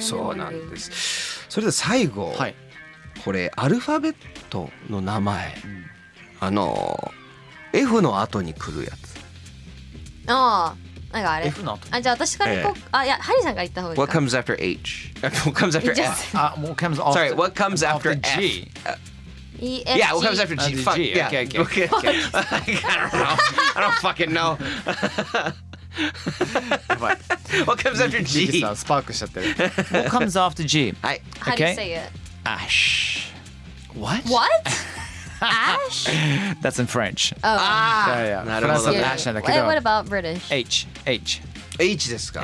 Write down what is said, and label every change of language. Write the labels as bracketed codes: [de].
[ja] そうなんです。それで最後、はい、これアルファベットの名前、うん、あの F の後に来るやつ。ああ、なんかあれ F の後、あ、じゃあ私から行こう、あ、いや、ハリーさんから行った方がいいか。 [en] What comes after H? What comes after F? What comes after F? Sorry, what comes after G? Yeah, what comes after G? Fuck, yeah. Okay. I don't know. I don't fucking know. What comes after G? [ja] スパークしちゃってる。 [en] What comes after G? [ja] はい。 [en] How do you say it? Ash. What? What? Ash? That's in French. Oh. Ah. Yeah, yeah. Not about Ash. What about British? H. H. [ja] H ですか。